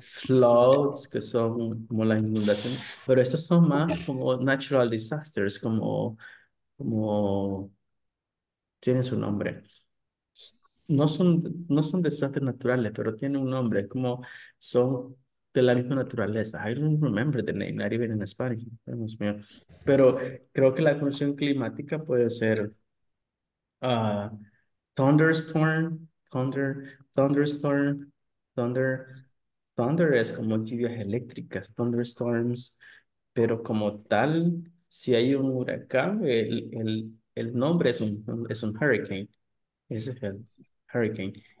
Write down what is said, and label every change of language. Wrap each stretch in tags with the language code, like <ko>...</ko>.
<es>Floods, que son como las inundaciones, pero estos son más como natural disasters, como tiene su nombre. No son desastres naturales, pero tienen un nombre, como son de la misma naturaleza.</es> <en>I don't remember the name, not even in Spanish.</en> <es>Pero creo que la condición climática puede ser thunder es como lluvias eléctricas, thunderstorms, pero como tal, si hay un huracán, el nombre es un hurricane, ese es el hurricane.</es>